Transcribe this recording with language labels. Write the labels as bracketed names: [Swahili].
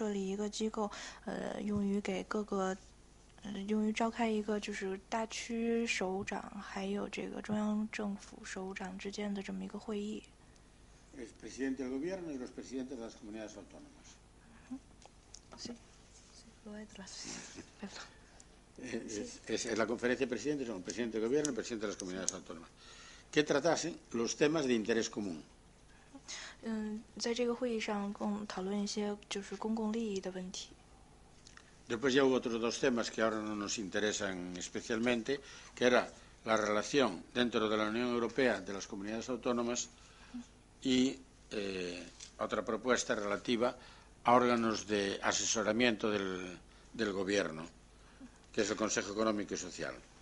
[Chinese] 然后最后，此外他还提出了一个就是改善中央政府和大区政府之间关系的一个提议，就是说设立一个机构，用于给各个。用于召开一个就是大区首长还有这个中央政府首长之间的这么一个会议。 [Spanish] El presidente del gobierno y los presidentes de las comunidades autónomas. Sí, sí, lo he traducido. Es la conferencia de presidentes, son el presidente del gobierno y el presidente de las comunidades autónomas. ¿Qué tratasen los temas de interés común? [Chinese] 在这个会议上共讨论一些就是公共利益的问题。 [Spanish] Después ya hubo otros dos temas que ahora no nos interesan especialmente, que era la relación dentro de la Unión Europea de las comunidades autónomas y otra propuesta relativa a órganos de asesoramiento del gobierno, que es el Consejo Económico y Social.